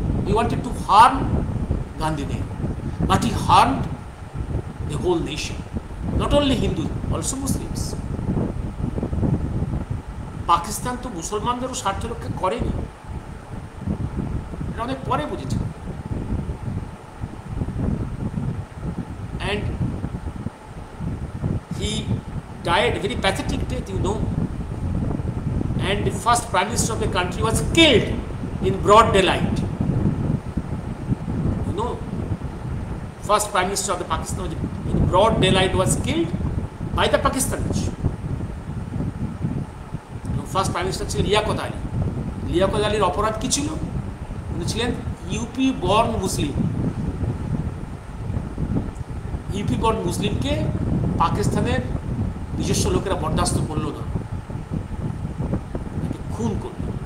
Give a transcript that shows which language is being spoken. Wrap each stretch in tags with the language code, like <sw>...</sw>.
<en>He wanted to harm Gandhi Nehru, but he harm a whole nation, not only Hindu also Muslims.</en> <bn>Pakistan তো মুসলমানদেরও স্বার্থ রক্ষা করেনি, অনেক পরে বুঝেছে।</bn> <en>and he died a very pathetic death, you know. And the first prime minister of the country was killed in broad daylight. You know, first prime minister of the Pakistan in broad daylight was killed by the Pakistanis. First prime minister</en> <bn>ছিলেন লিয়াকত আলী। লিয়াকত আলীর অপরাধ কি ছিল? উনি ছিলেন UP born মুসলিম। UP born মুসলিমকে পাকিস্তানের নিজস্ব লোকেরা বরদাস্ত করল না, খুন করল।</bn>